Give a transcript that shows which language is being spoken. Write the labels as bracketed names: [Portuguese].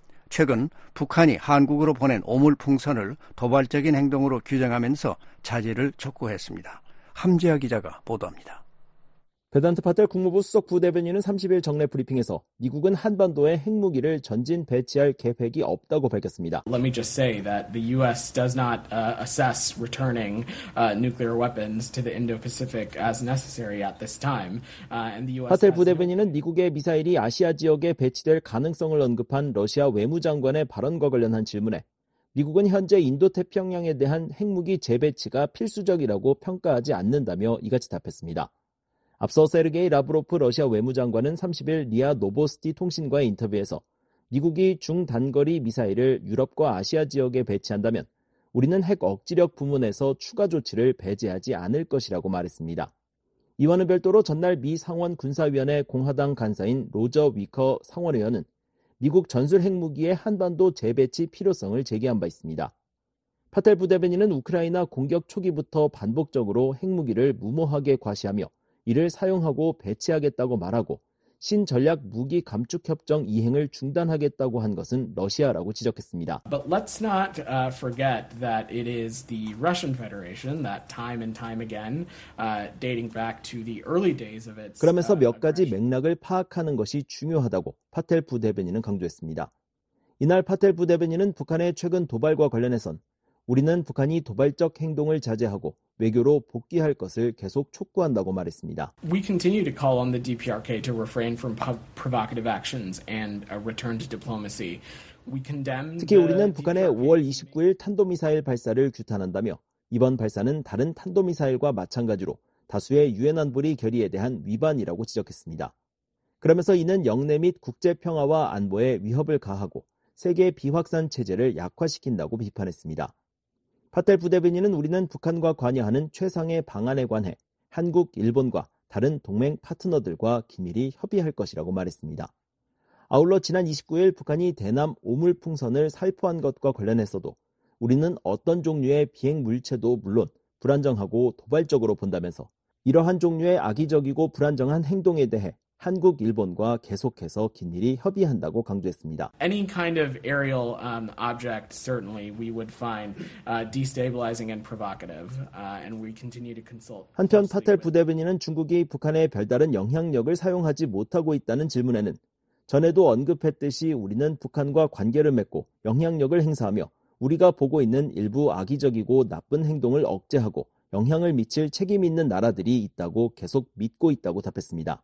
[Korean] 최근 북한이 한국으로 보낸 오물풍선을 도발적인 행동으로 규정하면서 자제를 촉구했습니다. 함재하 기자가 보도합니다. 베단트 파텔 국무부 수석 부대변인은 30일 정례 브리핑에서 미국은 한반도에 핵무기를 전진 배치할 계획이 없다고 밝혔습니다. [English] Let me just say that the U.S. does not assess returning nuclear weapons to the Indo-Pacific as necessary at this time. And the U.S. [Korean] 파텔 부대변인은 미국의 미사일이 아시아 지역에 배치될 가능성을 언급한 러시아 외무장관의 발언과 관련한 질문에 미국은 현재 인도태평양에 대한 핵무기 재배치가 필수적이라고 평가하지 않는다며 이같이 답했습니다. 앞서 세르게이 라브로프 러시아 외무장관은 30일 리아 노보스티 통신과의 인터뷰에서 미국이 중단거리 미사일을 유럽과 아시아 지역에 배치한다면 우리는 핵 억지력 부문에서 추가 조치를 배제하지 않을 것이라고 말했습니다. 이와는 별도로 전날 미 상원 군사위원회 공화당 간사인 로저 위커 상원의원은 미국 전술 핵무기의 한반도 재배치 필요성을 제기한 바 있습니다. 파텔 부대변인은 우크라이나 공격 초기부터 반복적으로 핵무기를 무모하게 과시하며 이를 사용하고 배치하겠다고 말하고 신전략 무기 감축 협정 이행을 중단하겠다고 한 것은 러시아라고 지적했습니다. [English] But let's not forget that it is the Russian Federation that time and time again dating back to the early days of its [Korean] 그러면서 몇 가지 맥락을 파악하는 것이 중요하다고 파텔 부대변인은 강조했습니다. 이날 파텔 부대변인은 북한의 최근 도발과 관련해선 우리는 북한이 도발적 행동을 자제하고 외교로 복귀할 것을 계속 촉구한다고 말했습니다. [English] We continue to call on the DPRK to refrain from provocative actions and return to diplomacy. We condemn [Korean] 특히 우리는 북한의 5월 29일 탄도미사일 발사를 규탄한다며 이번 발사는 다른 탄도미사일과 마찬가지로 다수의 유엔 안보리 결의에 대한 위반이라고 지적했습니다. 그러면서 이는 영내 및 국제 평화와 안보에 위협을 가하고 세계 비확산 체제를 약화시킨다고 비판했습니다. 파텔 부대변인은 우리는 북한과 관여하는 최상의 방안에 관해 한국, 일본과 다른 동맹 파트너들과 긴밀히 협의할 것이라고 말했습니다. 아울러 지난 29일 북한이 대남 오물풍선을 살포한 것과 관련해서도 우리는 어떤 종류의 비행 물체도 물론 불안정하고 도발적으로 본다면서 이러한 종류의 악의적이고 불안정한 행동에 대해 한국, 일본과 계속해서 긴밀히 협의한다고 강조했습니다. [English] Any kind of aerial object certainly we would find destabilizing and provocative and we continue to consult. [Korean] 한편 파텔 부대변인은 중국이 북한에 별다른 영향력을 사용하지 못하고 있다는 질문에는 전에도 언급했듯이 우리는 북한과 관계를 맺고 영향력을 행사하며 우리가 보고 있는 일부 악의적이고 나쁜 행동을 억제하고 영향을 미칠 책임 있는 나라들이 있다고 계속 믿고 있다고 답했습니다.